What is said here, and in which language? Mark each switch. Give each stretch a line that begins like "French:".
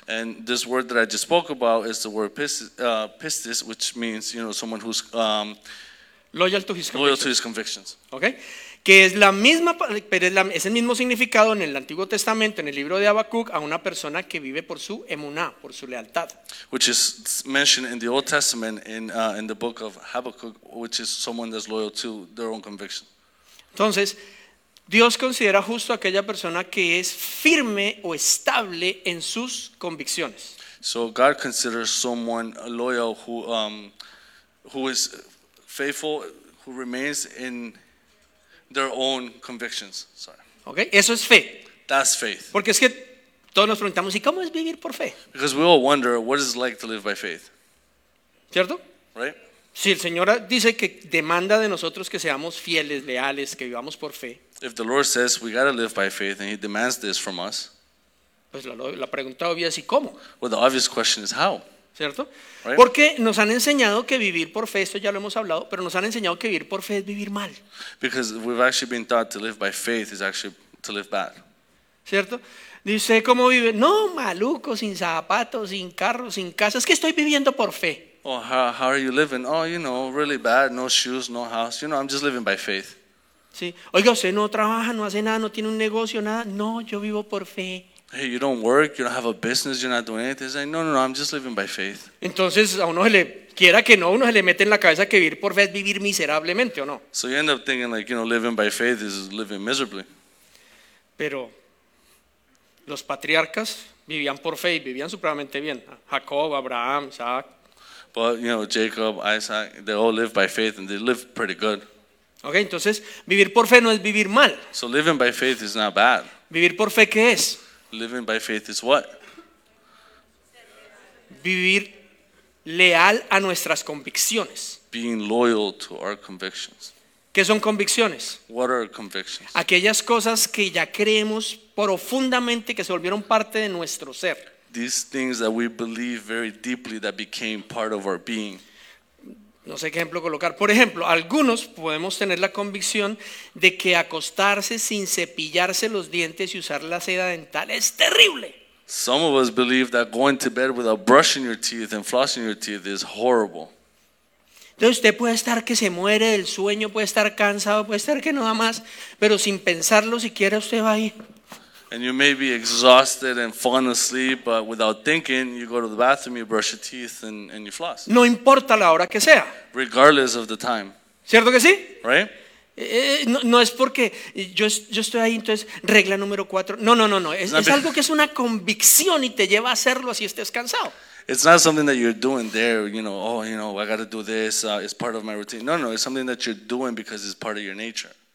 English: And this word that I just spoke about is the word pistis, which means, you know, someone who's loyal to his convictions. Okay.
Spanish: Que es la misma, pero es el mismo significado en el Antiguo Testamento, en el libro de Habacuc, a una persona que vive por su emuná, por su lealtad.
English: Which is mentioned in the Old Testament in the book of Habacuc, which is someone that's loyal to their own conviction.
Spanish: Entonces, Dios considera justo a aquella persona que es firme o estable en sus convicciones.
English: So God considers someone loyal who is faithful, who remains in their own convictions. Sorry.
Spanish: Okay, eso es fe.
English: That's faith.
Spanish: Porque es que todos nos preguntamos, ¿y cómo es vivir por fe?
English: Because we all wonder what it's like to live by faith.
Spanish: ¿Cierto?
English: Right?
Spanish: Si el Señor dice que demanda de nosotros que seamos fieles, leales, que vivamos por fe.
English: If the Lord says we got to live by faith and he demands this from us.
Spanish: Pues la pregunta obvia es ¿y cómo?
English: Well, the obvious question is how.
Spanish: ¿Cierto?
English: Right?
Spanish: Porque nos han enseñado que vivir por fe, esto ya lo hemos hablado, pero nos han enseñado que vivir por fe es vivir mal.
English: Because we've actually been taught to live by faith is actually to live bad.
Spanish: ¿Cierto? Dice, ¿cómo vive? No, maluco, sin zapatos, sin carro, sin casa, es que estoy viviendo por fe.
English: Oh, how are you living? Oh, you know, really bad, no shoes, no house, you know, I'm just living by faith.
Spanish: Sí. Oiga, usted no trabaja, no hace nada, no tiene un negocio, nada. No, yo vivo por fe.
English: Hey, you don't work, you don't have a business, you're not doing anything. Like, no, I'm just living by faith.
Spanish: Entonces, a uno se le quiera que no, uno se le mete en la cabeza que vivir por fe es vivir miserablemente, ¿o no?
English: So you end up thinking like, you know, living by faith is living miserably.
Spanish: Pero los patriarcas vivían por fe y vivían supremamente bien. Jacob, Abraham, Isaac.
English: But, you know, Jacob, Isaac, they all live by faith and they live pretty good.
Spanish: Okay, entonces, vivir por fe no es vivir mal.
English: So living by faith is not bad.
Spanish: ¿Vivir por fe qué es?
English: Living by faith is what?
Spanish: Vivir leal a nuestras convicciones.
English: Being loyal to our convictions.
Spanish: ¿Qué son convicciones?
English: What are convictions?
Spanish: Aquellas cosas que ya creemos profundamente que se volvieron parte de nuestro ser.
English: These things that we believe very deeply that became part of our being.
Spanish: No sé qué ejemplo colocar. Por ejemplo, algunos podemos tener la convicción de que acostarse sin cepillarse los dientes y usar la seda dental es terrible.
English: Some of us believe that going to bed without brushing your teeth and flossing your teeth is horrible.
Spanish: Entonces usted puede estar que se muere del sueño, puede estar cansado, puede estar que no da más, pero sin pensarlo siquiera usted va ahí.
English: And you may be exhausted and fallen asleep, but without thinking, you go to the bathroom, you brush your teeth, and you floss.
Spanish: No importa la hora que sea.
English: Regardless of the time.
Spanish: ¿Cierto que sí?
English: Right?
Spanish: No es porque yo estoy ahí, entonces, regla número cuatro. No. Es algo que es una convicción y te lleva a hacerlo así estés cansado.
English: It's not something that you're doing there, you know, oh, you know, I got to do this, it's part of my routine. No, it's something that you're doing because it's part of your nature.